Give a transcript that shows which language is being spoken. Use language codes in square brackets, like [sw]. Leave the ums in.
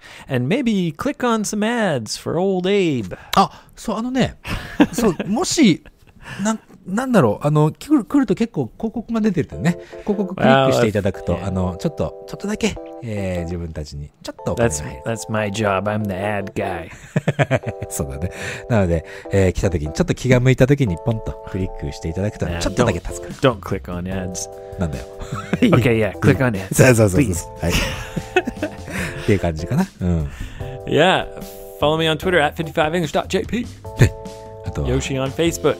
[en] And maybe click on some ads for old Abe. [ja] あ、そう、あのね、そう、もし、なんなんだろう、あの、来る来ると結構広告が出てるとね、広告クリックしていただくと、 [en] well, [ja] あの、<yeah. S 1> ちょっと、ちょっとだけ、えー、自分たちに、ちょっとお金が入る。 [en] That's, that's my job, I'm the ad guy. [ja] そうだね。なので、えー、来た時に、ちょっと気が向いた時に、ポンとクリックしていただくと、 [en] Now, [ja] ちょっとだけ助かる。 [en] Don't, don't click on ads. [ja] なんだよ。 [en] okay, yeah, click on ads. [ja] そ,うそうそうそう。 [en] Please. [ja] はい。っていう感じかな。うん。 [en] Yeah, follow me on Twitter at 55english.jp.、 [ja] ねあとは、 [en] Yoshi on Facebook。